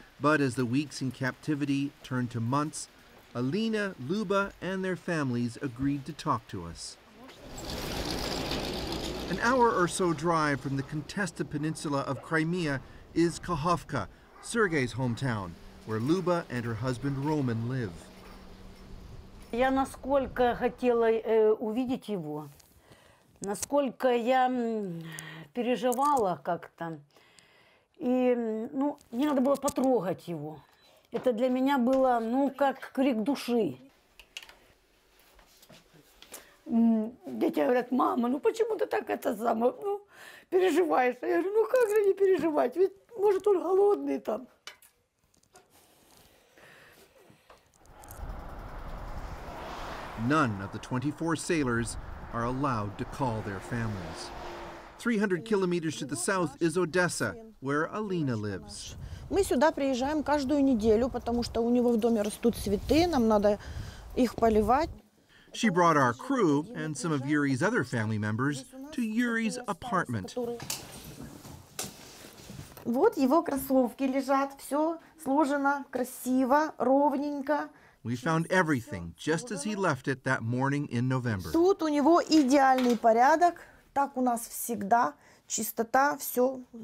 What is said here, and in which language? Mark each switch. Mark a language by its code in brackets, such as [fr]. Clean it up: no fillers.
[en] But as the weeks in captivity turned to months, Alina, Luba, and their families agreed to talk to us. An hour or so drive from the contested peninsula of Crimea is Kakhovka, Sergei's hometown, where Luba and her husband Roman live. [ru] Я насколько хотіла увидеть его, насколько я переживала как-то, и ну мне надо было потрогать его. Это для меня было, ну, как крик души. Дети говорят, мама, ну почему ты так это самое, ну, переживаешь? Я говорю, ну как же не переживать? Ведь, может, он голодный там. [en] None of the 24 sailors are allowed to call their families. 300 kilometers to the south is Odessa, where Alina lives. [ru] Мы сюда приезжаем каждую неделю, потому что у него в доме растут цветы, нам надо их поливать. [en] She brought our crew and some of Yuri's other family members to Yuri's apartment. [ru] Вот его кроссовки лежат, все сложено красиво, ровненько. [en] We found everything just as he left it that morning in November. [ru] Тут у него идеальный порядок, так у нас всегда, чистота, все.